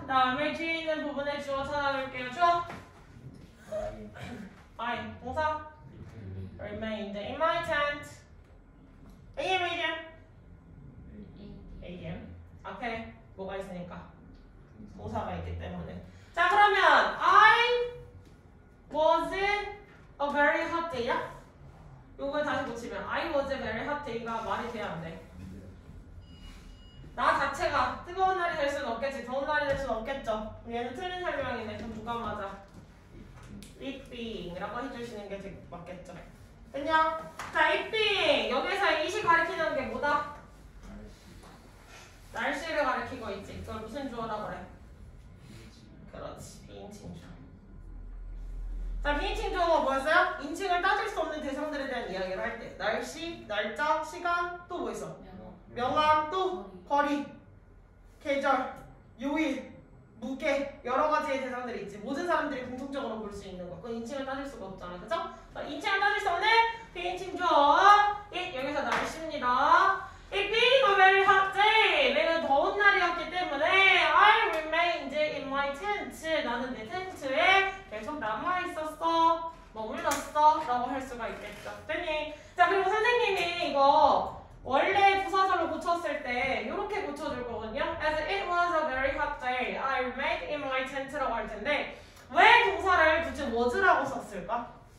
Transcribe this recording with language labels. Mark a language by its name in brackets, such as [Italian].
[Korean] 그 다음에 뒤에 있는 부분에 주어 찾아볼게요. 주어? [English] I 동사? Remained in my tent. AM, ADM? [Korean] AM 앞에 뭐가 있으니까 동사가 있기 때문에. 자, 그러면 [English] I was a very hot day야? [Korean] 요걸 다시 고치면 [English] I was a very hot day [Korean] 가 말이 돼야 안 돼? 나 자체가 뜨거운 날이 될 수는 없겠지. 더운 날이 될 수는 없겠죠. 얘는 틀린 설명이네. 그럼 누가 맞아? [English] It being [Korean] 라고 해주시는 게 맞겠죠. 됐냐? 자, [English] It being [Korean] 여기서 이시 가리키는 게 뭐다? 날씨를 가리키고 있지. 그걸 무슨 주어라 그래? 그렇지, 비인칭 주어. 자, 비인칭 주어가 뭐였어요? 인칭을 따질 수 없는 대상들에 대한 이야기를 할 때 날씨, 날짜, 시간 또 뭐 있어? 명암, 또 거리, 계절, 요일, 무게, 여러 가지의 대상들이 있지. 모든 사람들이 공통적으로 볼 수 있는 거. 그건 인칭을 따질 수가 없잖아, 그죠? 인칭을 따질 수 없는 비인칭 주어. 예, 여기서 날씨입니다. [English] It being a very hot day. [Korean] 매우 더운 날이었기 때문에 [English] I remained in my tent. [Korean] 나는 내 텐트에 계속 남아있었어. 머물렀어. 라고 할 수가 있겠죠. 됐니? 자, 그리고 선생님이 이거 원래 부사절로 고쳤을 때 이렇게 고쳐줄 거거든요. [English] As it was a very hot day, I remained in my tent라고 [Korean] 할 텐데 왜 동사를 굳이 was라고 썼을까?